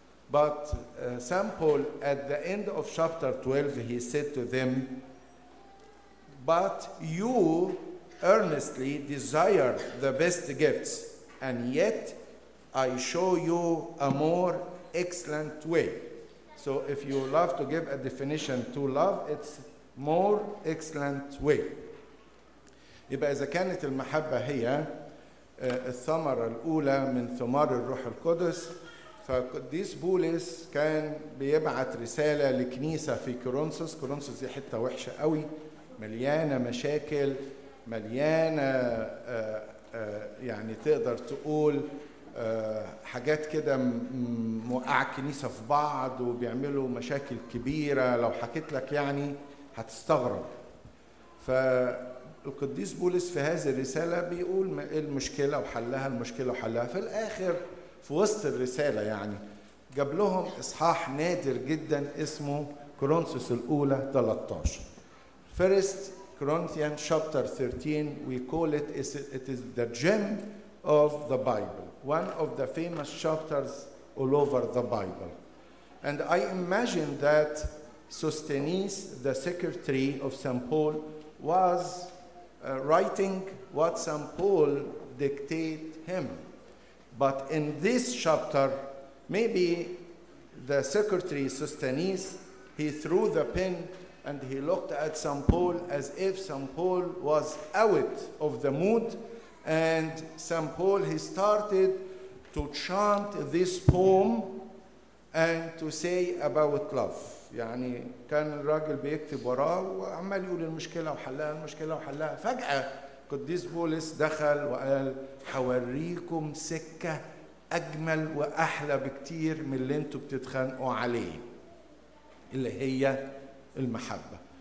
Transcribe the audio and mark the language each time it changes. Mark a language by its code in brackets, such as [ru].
[en] But St. Paul, at the end of chapter 12, he said to them, "But you earnestly desire the best gifts, and yet I show you a more excellent way." So if you love to give a definition to love, it's more excellent way. [ar] يبقى إذا كانت المحبة هي الثمرة الأولى من ثمار الروح القدس, فقديس بولس كان بيبعت رسالة لكنيسة في كورنثوس. كورنثوس دي حتة وحشة قوي, مليانة مشاكل, مليانة يعني تقدر تقول حاجات كده موقع كنيسة في بعض وبيعملوا مشاكل كبيرة. لو حكيت لك يعني هتستغرب. فالقديس بولس في هذه الرسالة بيقول ما المشكلة وحلها, المشكلة وحلها. في الآخر في وسط الرسالة يعني جاب لهم إصحاح نادر جدا اسمه كورنثوس الأولى 13. [en] First Corinthians chapter 13, we call it, it is the gem of the Bible, one of the famous chapters all over the Bible. And I imagine that Sosthenes, the secretary of St. Paul, was writing what St. Paul dictated him. But in this chapter, maybe the secretary Sosthenes, he threw the pen and he looked at St. Paul as if St. Paul was out of the mood. And St. Paul, he started to chant this poem and to say about love. [ar] يعني كان الراجل بيكتب وراه وعمال يقول المشكلة وحلها, المشكلة وحلها. فجأة قديس بولس دخل وقال حوريكم سكة أجمل وأحلى بكتير من اللي انتوا بتتخانقوا عليه, اللي هي المحبة.